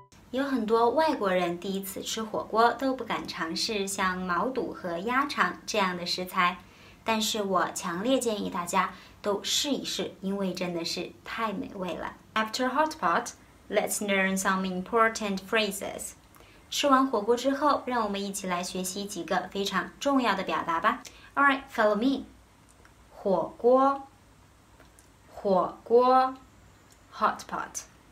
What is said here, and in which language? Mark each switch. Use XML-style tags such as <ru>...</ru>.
<zh>有很多外国人第一次吃火锅都不敢尝试像毛肚和鸭肠这样的食材，但是我强烈建议大家都试一试，因为真的是太美味了。</zh> <en>After hot pot, let's learn some important phrases.</en> <zh>吃完火锅之后，让我们一起来学习几个非常重要的表达吧。</zh> <en>Alright, follow me.</en> <zh>火锅，火锅 ，</zh> <en>hot pot.</en>